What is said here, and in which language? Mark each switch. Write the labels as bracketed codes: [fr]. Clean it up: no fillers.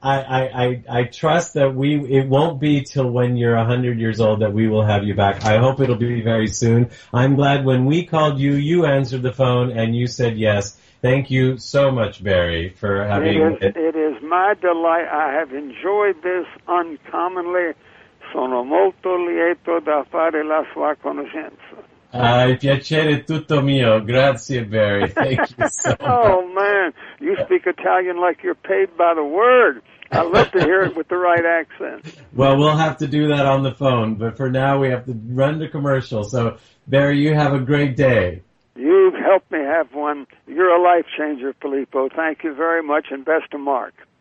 [en] I trust that it won't be till when you're 100 years old that we will have you back. I hope it'll be very soon. I'm glad when we called you, you answered the phone and you said yes. Thank you so much, Barry, for having me. It is my delight. I have enjoyed this uncommonly. [it] Sono molto lieto da fare la sua conoscenza. Piacere tutto mio. Grazie, Barry. [en] Thank you so much. Oh, man. You speak Italian like you're paid by the word. I'd love to hear it with the right accent. Well, we'll have to do that on the phone. But for now, we have to run the commercial. So, Barry, you have a great day. You've helped me have one. You're a life changer, Filippo. Thank you very much, and best to Mark.